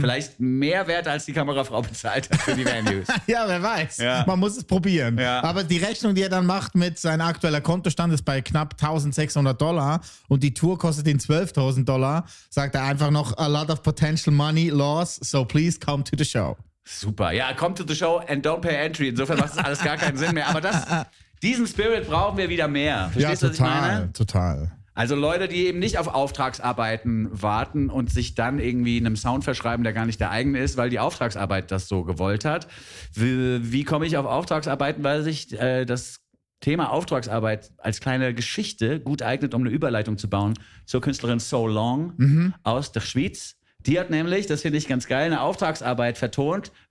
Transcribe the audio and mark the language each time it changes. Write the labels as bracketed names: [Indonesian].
[German] Vielleicht mehr wert, als die Kamerafrau bezahlt hat für die Venues. Ja, wer weiß. Ja. Man muss es probieren. Ja. Aber die Rechnung, die er dann macht mit seinem aktuellen Kontostand, ist bei knapp $1,600 und die Tour kostet ihn $12,000, sagt er einfach noch, [English] a lot of potential money loss, so please come to the show. [German] Super, ja, [English] come to the show and don't pay entry. [German] Insofern macht das alles gar keinen Sinn mehr. Aber das, diesen Spirit brauchen wir wieder mehr. Verstehst du, total, was ich meine? Total. Also Leute, die eben nicht auf Auftragsarbeiten warten und sich dann irgendwie einem Sound verschreiben, der gar nicht der eigene ist, weil die Auftragsarbeit das so gewollt hat. Wie komme ich auf Auftragsarbeiten, weil sich das Thema Auftragsarbeit als kleine Geschichte gut eignet, um eine Überleitung zu bauen zur Künstlerin So Long aus der Schweiz. Die hat nämlich, das finde ich ganz geil, eine Auftragsarbeit vertont